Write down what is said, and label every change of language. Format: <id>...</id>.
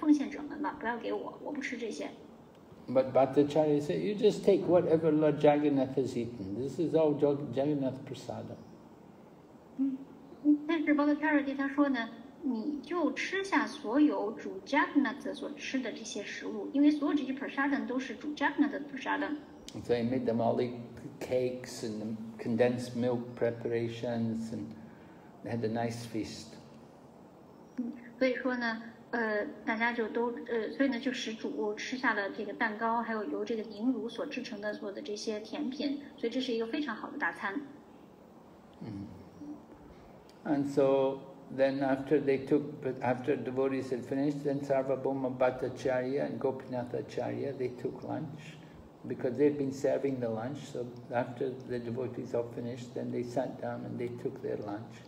<zh>这个炼制的，就是由精炼的炼乳所制成的这些甜品，还有这些蛋糕啊，给奉献者们吧，不要给我，我不吃这些。</zh> <en>But Bhattacharya said, you just take whatever Lord Jagannath has eaten. This is all Jagannath prasadam.</en> <zh>但是 Bhattacharya 对他说呢，你就吃下所有主 Jagannath 所吃的这些食物，因为所有这些 prasadam 都是主 Jagannath 的 prasadam。</zh> <en>So he made them all eat the cakes and the condensed milk preparations, and they had a nice feast.</en> <zh>所以说呢，大家就都所以呢，就使主吃下了这个蛋糕，还有由这个凝乳所制成的所有的这些甜品，所以这是一个非常好的大餐。</zh> <en>And so then after they took, after devotees had finished, then Sarvabhauma Bhattacharya and Gopinath Acharya, they took lunch. Because they've been serving the lunch, so after the devotees all finished, then they sat down and they took their lunch.</en>